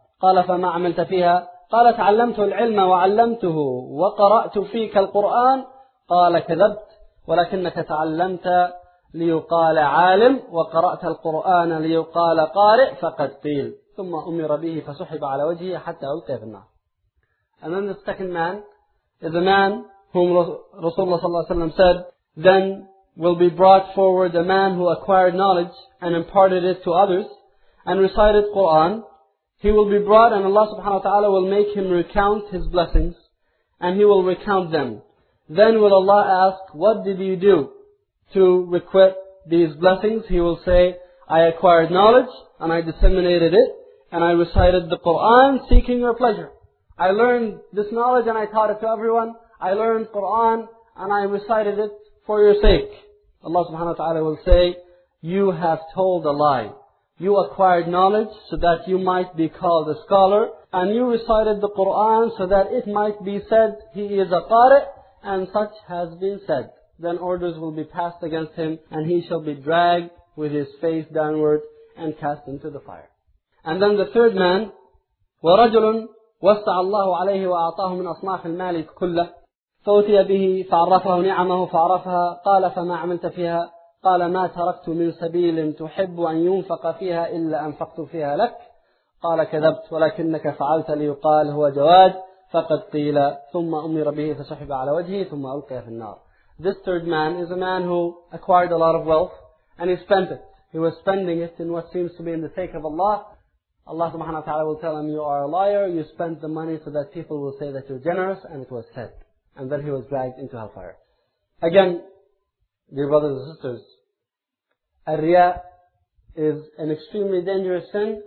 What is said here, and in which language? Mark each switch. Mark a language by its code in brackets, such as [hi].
[ar] قال فما عملت فيها؟ قال تعلمت العلم وعلمته وقرأت فيك القرآن. قال كذبت، ولكنك تعلمت ليقال عالم وقرأت القرآن ليقال قارئ فقد قيل. ثم أمر به فسحب على وجهه حتى ألقي في النار. [en] And then the second man is the man whom Rasulullah [ar] صلى الله عليه وسلم [en] said, then will be brought forward a man who acquired knowledge and imparted it to others and recited Quran. He will be brought and Allah subhanahu wa ta'ala will make him recount his blessings and he will recount them. Then will Allah ask, what did you do to requite these blessings? He will say, I acquired knowledge and I disseminated it and I recited the Quran seeking your pleasure. I learned this knowledge and I taught it to everyone. I learned Quran and I recited it for your sake. Allah subhanahu wa ta'ala will say, you have told a lie. You acquired knowledge so that you might be called a scholar, and you recited the Quran so that it might be said he is a qari, and such has been said. Then orders will be passed against him, and he shall be dragged with his face downward and cast into the fire. And then the third man, [ar] وَرَجُلٌ وَسْتَعَ اللَّهُ عَلَيْهِ وَأَعْطَاهُ مِنْ أَصْنَاخِ الْمَالِ كُلَّهِ فأتي به فعرفه نعمه فعرفها. قال فما عملت فيها؟ قال ما تركت من سبيل تحب أن ينفق فيها إلا أنفقت فيها لك. قال كذبت، ولكنك فعلت ليقال هو جواد فقد قيل. ثم أمر به فسحب على وجهه ثم ألقي في النار. [en] This third man is a man who acquired a lot of wealth and he spent it. He was spending it in what seems to be in the sake of Allah. Allah subhanahu wa ta'ala will tell him, you are a liar. You spent the money so that people will say that you're generous, and it was said. And then he was dragged into hellfire. Again, dear brothers and sisters, Ar-Riya is an extremely dangerous sin.